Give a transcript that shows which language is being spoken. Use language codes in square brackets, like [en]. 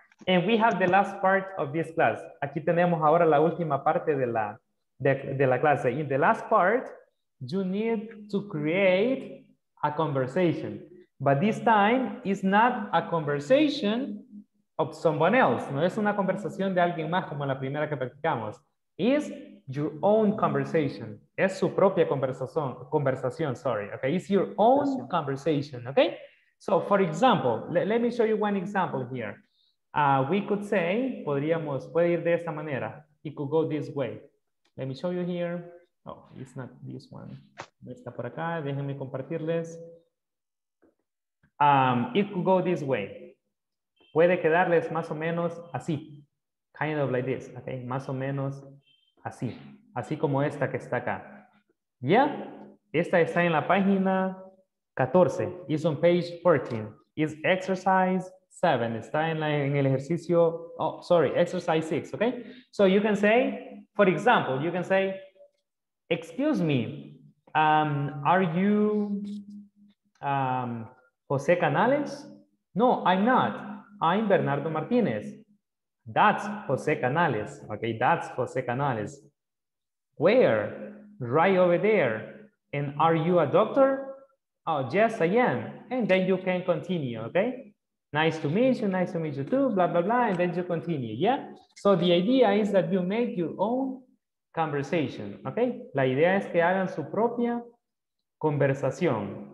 [en] And we have the last part of this class. [es] Aquí tenemos ahora la última parte de la clase. [en] In the last part, you need to create a conversation. But this time, it's not a conversation of someone else. [es] No es una conversación de alguien más como la primera que practicamos. [en] It's your own conversation. [es] Es su propia conversación, [en] sorry. Okay, it's your own conversation, okay? So, for example, let me show you one example here. We could say, [es] podríamos, puede ir de esta manera. [en] It could go this way. Let me show you here. Oh, it's not this one. [es] No está por acá, déjenme compartirles. [en] It could go this way. [es] Puede quedarles más o menos así. [en] Kind of like this, okay? [es] Más o menos así. Así como esta que está acá. Yeah, esta está en la página 14. [en] It's on page 14. It's exercise 7. [es] Está en el ejercicio, [en] oh, sorry, exercise 6, okay? So you can say, for example, you can say, excuse me, are you José Canales? No, I'm not. I'm Bernardo Martinez. That's José Canales, okay? That's José Canales. Where? Right over there. And are you a doctor? Oh, yes, I am. And then you can continue, okay? Nice to meet you too, blah, blah, blah, and then you continue, yeah? So the idea is that you make your own conversation, okay? [es] La idea es que hagan su propia conversación.